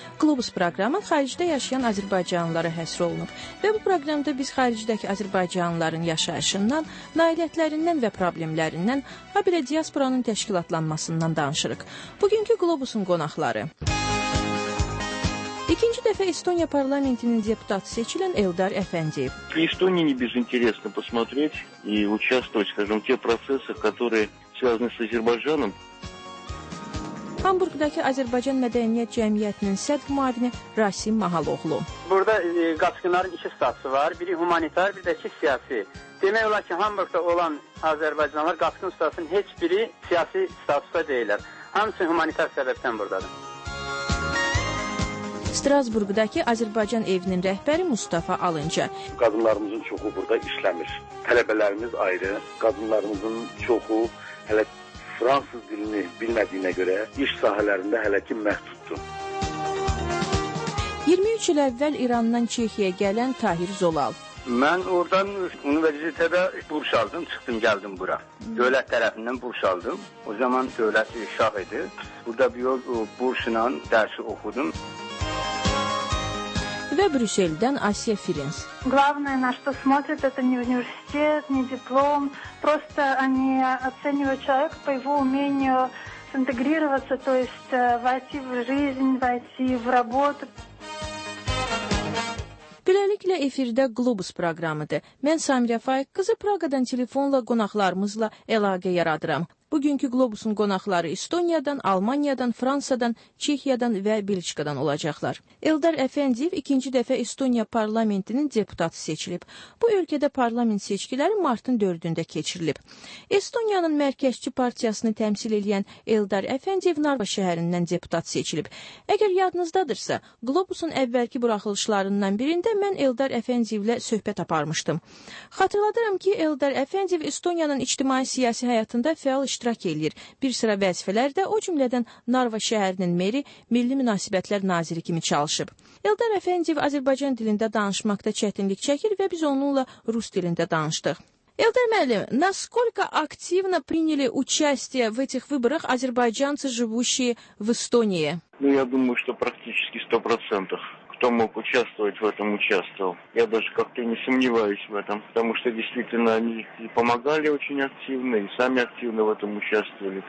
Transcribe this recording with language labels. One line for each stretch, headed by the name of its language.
Azerbaijani: Globus proqramı xaricdə yaşayan azərbaycanlılara həsr olunub və bu proqramda biz xaricdəki azərbaycanlıların yaşayışından, nailiyyətlərindən və problemlərindən, habelə diasporanın təşkilatlanmasından danışırıq. Bugünkü Globusun qonaqları. İkinci dəfə Estoniya parlamentinin deputatı seçilən Eldar Əfəndiyev. Estoniyanı biz interesli
Russian: посмотреть и участвовать, скажем, те процессы, которые связаны с Азербайджаном.
Azerbaijani: Hamburqdakı Azərbaycan Mədəniyyət Cəmiyyətinin sədr müavini Rasim Mahaloğlu. Burada qaçqınların iki statusu var. Biri humanitar, bir də ki siyasi. Demək olar ki, Hamburqda olan Azərbaycanlılar qaçqın statusunun heç biri siyasi statusa deyilər. Hamısı humanitar səbəbdən buradadır. Strasburqdakı Azərbaycan evinin rəhbəri Mustafa Alınca. Qadınlarımızın çoxu burada işləmir. Tələbələrimiz ayrı. Qadınlarımızın çoxu hələ Fransız dilini bilmədiyinə görə iş sahələrində hələ ki məhduddur. 23 il əvvəl İrandan Çexiyə gələn Tahir Zolal. Mən oradan universitetə burs aldım, çıxdım, gəldim bura. Dövlət tərəfindən burs aldım. O zaman dövlət şah idi. Burada bir yol bursla dərsi oxudum. Və Brüsseldən Asiya Firenz.
Russian: Главное, на что смотрят, это не университет, не диплом. Просто они оценивают человека по его умению синтегрироваться, то есть войти в жизнь, войти в работу.
Azerbaijani: Beləliklə efirdə Globus proqramıdır. Mən Samirə Faiq qızı Praqadan telefonla qonaqlarımızla əlaqə yaradıram. Bugünkü Globusun qonaqları Estoniyadan, Almaniyadan, Fransadan, Çexiyadan və Belçikadan olacaqlar. Eldar Əfəndiyev ikinci dəfə Estoniya parlamentinin deputatı seçilib. Bu ölkədə parlament seçkiləri martın 4-də keçirilib. Estoniyanın mərkəzçi partiyasını təmsil edən Eldar Əfəndiyev Narva şəhərindən deputat seçilib. Əgər yadınızdadırsa, Globusun əvvəlki buraxılışlarından birində mən Eldar Əfəndiyevlə söhbət aparmışdım. Xatırladıram ki, Eldar Əfəndiyev Estoniyanın ictimai-siyasi həyatında fəal iştirak edir. Bir sıra vəzifələrdə o cümlədən Narva şəhərinin meri, Milli Münasibətlər Naziri kimi çalışıb. Eldar Əfəndiyev Azərbaycan dilində danışmaqda çətinlik çəkir və biz onunla rus dilində danışdıq.
Russian: Eldar müəllim, насколько активно приняли участие в этих выборах азербайджанцы, живущие в Эстонии? Ну, я думаю, что практически 100%. Кто мог участвовать в этом, участвовал. Я даже как-то не сомневаюсь в этом, потому что действительно они и помогали очень активно, и сами активно в этом участвовали.